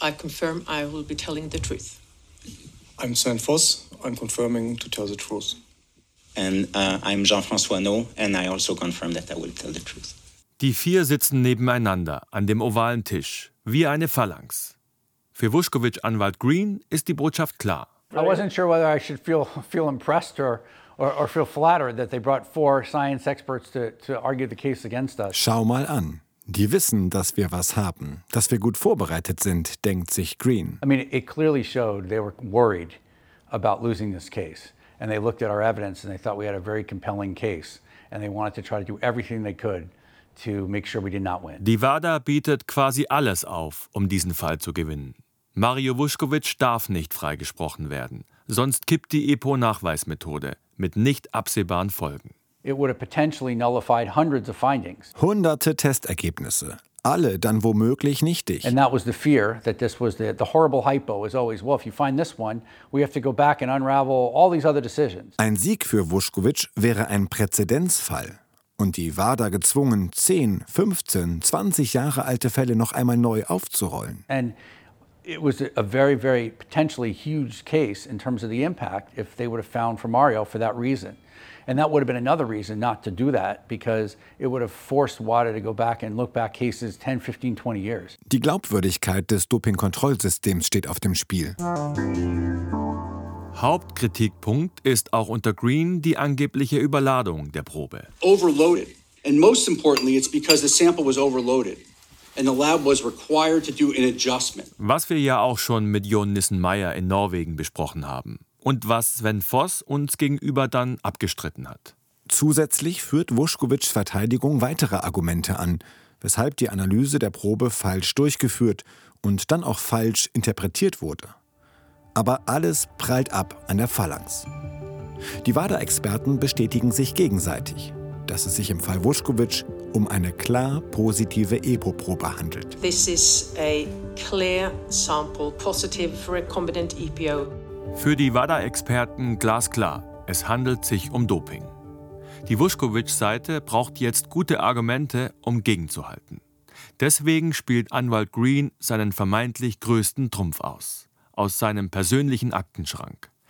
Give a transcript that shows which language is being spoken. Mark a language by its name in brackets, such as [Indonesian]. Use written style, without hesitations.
[English] I confirm I will be telling the truth. I'm Sven Voss. I'm confirming to tell the truth. And I'm Jean-François Nau, and I also confirm that I will tell the truth. [German] Die vier sitzen nebeneinander an dem ovalen Tisch, wie eine Phalanx. Für Vuskovic-Anwalt Green ist die Botschaft klar. [English] I wasn't sure whether I should feel impressed or feel flattered that they brought four science experts to argue the case against us. [German] Schau mal an. Die wissen, dass wir was haben, dass wir gut vorbereitet sind, denkt sich Green. [English] I mean, it clearly showed they were worried about losing this case. And they looked at our evidence and they thought we had a very compelling case. And they wanted to try to do everything they could to make sure we did not win. [German] Die WADA bietet quasi alles auf, um diesen Fall zu gewinnen. Mario Vuskovic darf nicht freigesprochen werden. Sonst kippt die EPO-Nachweismethode mit nicht absehbaren Folgen. [English] It would have potentially nullified hundreds of findings. [German] Hunderte Testergebnisse, alle dann womöglich nichtig. [English] And that was the fear that this was the horrible hypo is always, well, if you find this one, we have to go back and unravel all these other decisions. [German] Ein Sieg für Vuskovic wäre ein Präzedenzfall. Und die WADA gezwungen, 10, 15, 20 Jahre alte Fälle noch einmal neu aufzurollen. [English] And it was a very, very potentially huge case in terms of the impact if they would have found for Mario for that reason. And that would have been another reason not to do that, because it would have forced WADA to go back and look back cases 10, 15, 20 years. [German] Die Glaubwürdigkeit des Dopingkontrollsystems steht auf dem Spiel. Hauptkritikpunkt ist auch unter Green die angebliche Überladung der Probe. [English] Overloaded. And most importantly, it's because the sample was overloaded. And the lab was required to do an adjustment. [German] Was wir ja auch schon mit Jon Nissen-Meyer in Norwegen besprochen haben. Und was Sven Voss uns gegenüber dann abgestritten hat. Zusätzlich führt Vuskovics Verteidigung weitere Argumente an, weshalb die Analyse der Probe falsch durchgeführt und dann auch falsch interpretiert wurde. Aber alles prallt ab an der Phalanx. Die WADA-Experten bestätigen sich gegenseitig, dass es sich im Fall Vuskovic um eine klar positive EPO-Probe handelt. [English] This is a clear sample, positive for recombinant EPO. [German] Für die WADA-Experten glasklar, es handelt sich um Doping. Die Vuskovic-Seite braucht jetzt gute Argumente, um gegenzuhalten. Deswegen spielt Anwalt Green seinen vermeintlich größten Trumpf aus seinem persönlichen Aktenschrank.